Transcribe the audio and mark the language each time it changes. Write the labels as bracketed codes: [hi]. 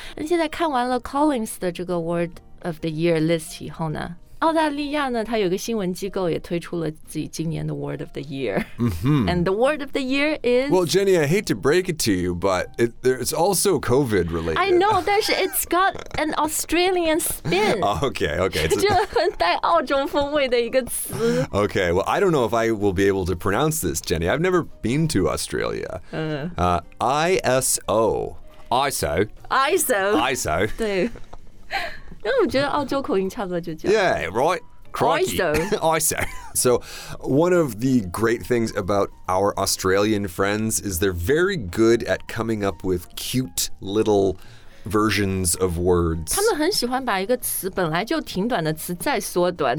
[zh] 那、现在看完了 Collins 的这个 word of the year list 以后呢？澳大利亚呢，它有个新闻机构也推出了自己今年的 Word of the Year.、 Mm-hmm. [en] And the Word of the Year is... Well, Jenny, I hate to break it to you, but it's also COVID-related. I know, [zh] 但是 [en] it's got an Australian spin. Okay, okay. [zh] 这很带澳洲风味的一个词。 [en] Okay, well, I don't know if I will be able to pronounce this, Jenny. I've never been to Australia. ISO. ISO. ISO. ISO. [zh] 对。因为我觉得澳洲口音差不多就这样。 [en] Yeah, right. Crikey. ISO. So one of the great things about our Australian friends is they're very good at coming up with cute little versions of words. [zh] 他们很喜欢把一个词本来就挺短的词再缩短。